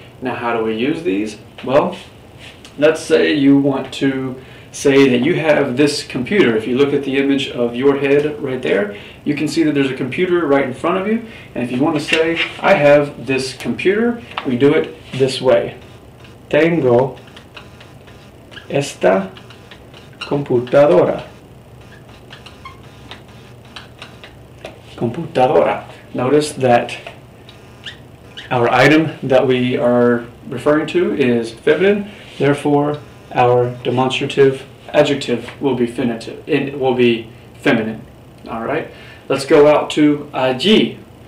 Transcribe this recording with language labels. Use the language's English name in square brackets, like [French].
[English] Now, how do we use these? Well, let's say you want to say that you have this computer. If you look at the image of your head right there, you can see that there's a computer right in front of you. And if you want to say, I have this computer, we do it this way. [Spanish] Tengo esta computadora. Computadora. [English] Notice that our item that we are referring to is feminine. Therefore, our demonstrative adjective will be finitive. It will be feminine. All right. Let's go out to allí.